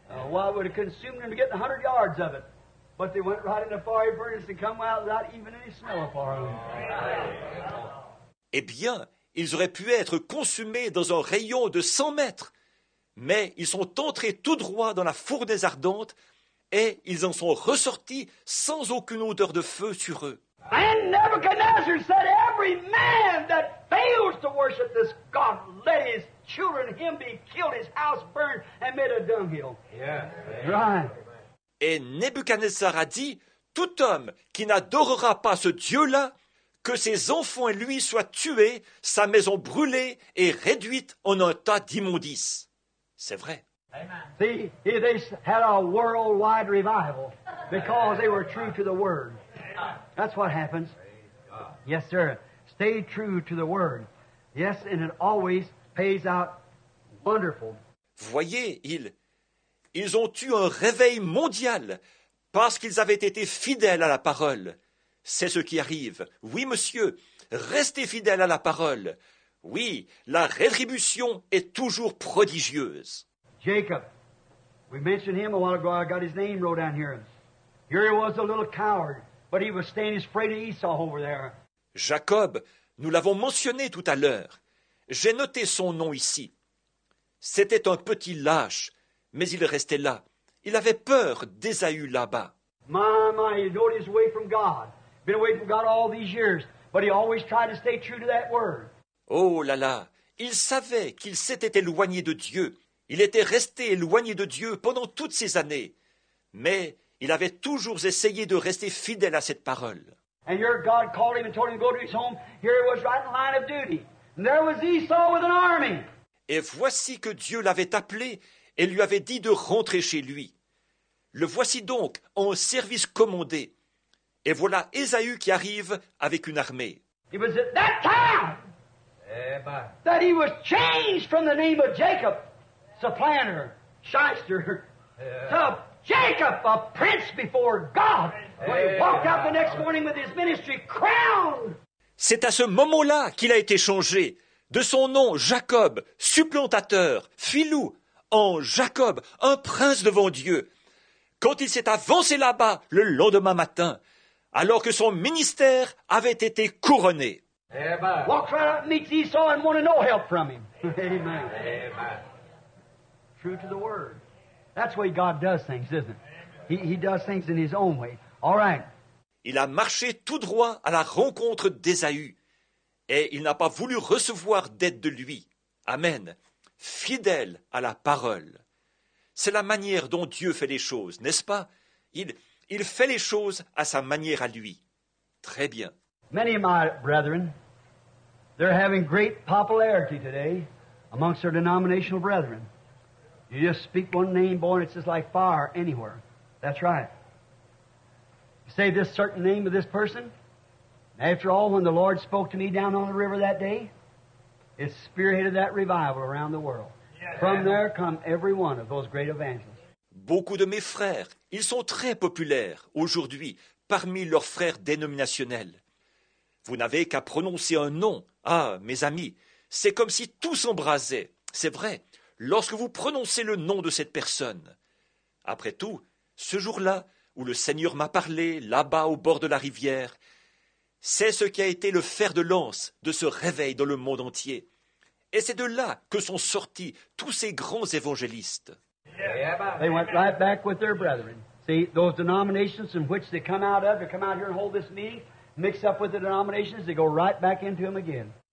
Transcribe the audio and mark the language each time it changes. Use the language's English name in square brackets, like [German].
[English] Well, it would have consumed them to get 100 yards of it. But they went right in the fiery furnace and come out without even any smell of fire. [French] Eh bien, ils auraient pu être consumés dans un rayon de 100 mètres. Mais ils sont entrés tout droit dans la fournaise ardente et ils en sont ressortis sans aucune odeur de feu sur eux. [English] And Nebuchadnezzar said, every man that fails to worship this God, let his children, him be killed, his house burned, and made a dunghill. Yeah. Right. [French] Et Nebuchadnezzar a dit, tout homme qui n'adorera pas ce Dieu-là, que ses enfants et lui soient tués, sa maison brûlée et réduite en un tas d'immondices. C'est vrai. Amen. [English] See, they had a worldwide revival because they were true to the word. That's what happens. Yes, sir. Stay true to the word. Yes, and it always pays out wonderful. [French] Voyez, ils ont eu un réveil mondial parce qu'ils avaient été fidèles à la parole. C'est ce qui arrive. Oui, monsieur, restez fidèles à la parole. Oui, la rétribution est toujours prodigieuse. [English] Jacob, we mentioned him a while ago. I got his name wrote down here. Here he was, a little coward. But he was staying afraid of Esau over there. [French] Jacob, nous l'avons mentionné tout à l'heure. J'ai noté son nom ici. C'était un petit lâche, mais il restait là. Il avait peur d'Ésaü là-bas. [English] My, he knew his way from God. Been away from God all these years, but he always tried to stay true to that word. [French] Oh là là, il savait qu'il s'était éloigné de Dieu. Il était resté éloigné de Dieu pendant toutes ces années. Mais il avait toujours essayé de rester fidèle à cette parole. [English] And here God called him and told him to go to his home. Here he was right in line of duty. And there was Esau with an army. [French] Et voici que Dieu l'avait appelé et lui avait dit de rentrer chez lui. Le voici donc en service commandé. Et voilà Ésaü qui arrive avec une armée. [English] It was at that time that he was changed from the name of Jacob, supplanter, shyster, to Jacob, a prince before God, when he walked out the next morning with his ministry crowned. [French] C'est à ce moment-là qu'il a été changé de son nom Jacob, supplantateur, filou, en Jacob, un prince devant Dieu. Quand il s'est avancé là-bas le lendemain matin, alors que son ministère avait été couronné. [English] Walks right up, meets Esau and wanted no help from him. Amen. True to the word. That's the way God does things, isn't it? He does things in his own way. All right. [French] Il a marché tout droit à la rencontre d'Ésaü, et il n'a pas voulu recevoir d'aide de lui. Amen. Fidèle à la parole. C'est la manière dont Dieu fait les choses, n'est-ce pas? Il fait les choses à sa manière à lui. Très bien. [English] Many of my brethren, they're having great popularity today amongst their denominational brethren. You just speak one name, boy, and it's just like fire anywhere. That's right. You say this certain name of this person. After all, when the Lord spoke to me down on the river that day, it spearheaded that revival around the world. Yeah. From there come every one of those great evangelists. [French] Beaucoup de mes frères, ils sont très populaires aujourd'hui parmi leurs frères dénominationnels. Vous n'avez qu'à prononcer un nom. Ah, mes amis, c'est comme si tout s'embrasait. C'est vrai. Lorsque vous prononcez le nom de cette personne. Après tout, ce jour-là où le Seigneur m'a parlé, là-bas au bord de la rivière, c'est ce qui a été le fer de lance de ce réveil dans le monde entier. Et c'est de là que sont sortis tous ces grands évangélistes. [English] They went right back with their brethren. See, those denominations in which they come out of, they come out here and hold this meeting, mix up with the denominations, they go right back into them again.